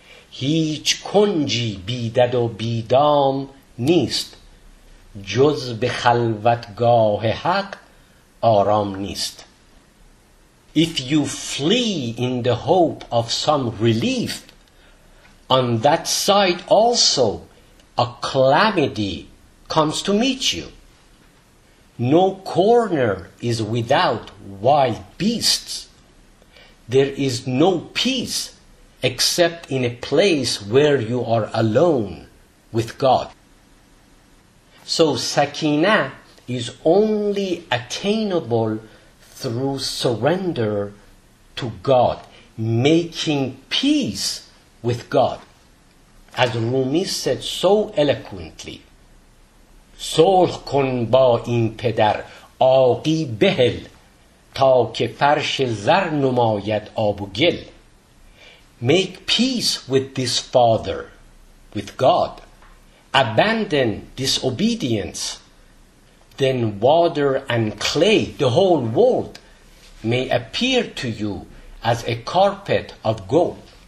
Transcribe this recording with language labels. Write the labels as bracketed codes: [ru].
[fa] هیچ کنجی بیدد و بیدام نیست، جز به خلوتگاه حق آرام نیست. [en] If you flee in the hope of some relief, on that side also a calamity comes to meet you. No corner is without wild beasts there is no peace except in a place where you are alone with God. So Sakina is only attainable through surrender to God, making peace with God. As Rumi said so eloquently, [fa] صلح کن با این پدر آقی بهل تا که فرش زر نماید آب و گل. [en] Make peace with this father, with God. Abandon disobedience, then water and clay, the whole world, may appear to you as a carpet of gold.